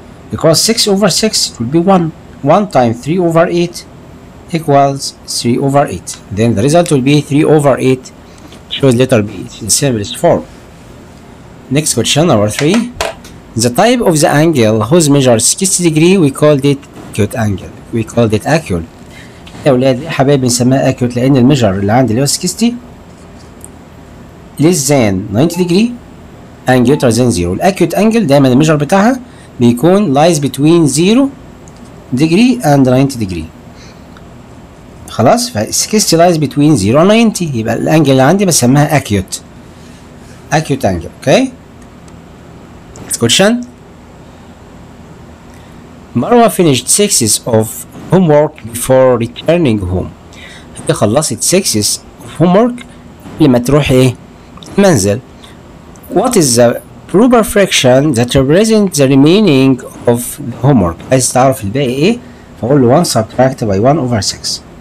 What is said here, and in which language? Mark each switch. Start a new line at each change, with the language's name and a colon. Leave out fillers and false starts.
English: Because 6/6 will be 1. 1 times 3/8. Equals 3/8. Then the result will be 3/8. Choose letter B. It's in simplest form. Next question, number 3. The type of the angle whose measure is 60 degree, we called it acute angle. We called it acute.
Arabic: يا ولاد حبايبي بنسميها acute لأن المجر اللي عندي اللي هو 60
English: less than 90 degree and greater than 0.
Arabic: الأكيوت أنجل دايما المجر بتاعها بيكون
English: lies between 0 degree and 90 degree.
Arabic: خلاص ف 60
English: lies between 0 and 90
Arabic: يبقى الانجل اللي عندي بسميها acute angle.
English: Okay next question. مروه finished 6 of homework before returning home.
Arabic: هي خلصت 6 of homework لما تروح ايه المنزل.
English: What is the proper fraction that represents the remaining of the homework؟
Arabic: عايز تعرف الباقي ايه فقول له
English: 1 subtract by 1 over 6.